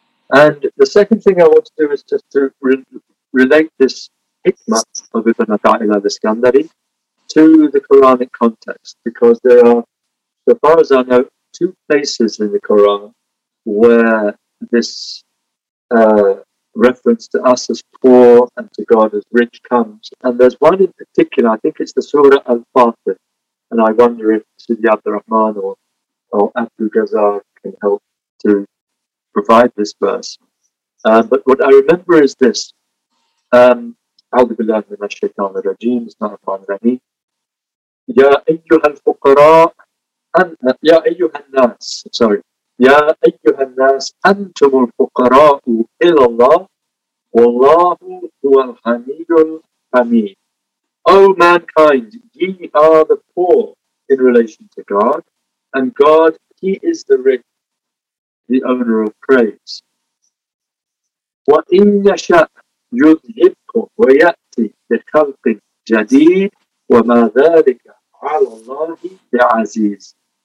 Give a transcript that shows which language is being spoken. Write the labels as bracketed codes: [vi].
[en] And the second thing I want to do is just to relate this hikmah of Ibn Athaila al-Iskandari to the Quranic context, because there are, so far as I know, two places in the Quran where this reference to us as poor and to God as rich comes. And there's one in particular, I think it's the Surah Al-Fatih, and I wonder if Sidi Abdurrahman or Abu Ghazar can help to provide this verse. But what I remember is this, [ar] أعوذ بالله من الشيطان الرجيم بسم الله الرحمن الرحيم يا أيها الفقراء يا أيها الناس [en] sorry [ar] يا أيها الناس أنتم الفقراء إلى الله والله هو الغني الحميد. [en] O mankind, ye are the poor in relation to God, and God, he is the rich, the owner of praise. [ar] وإن يشأ يذهب وَيَأْتِ بِخَلْقٍ جَدِيدٍ وَمَا ذَلِكَ عَلَى اللَّهِ بِعَزِيزٍ.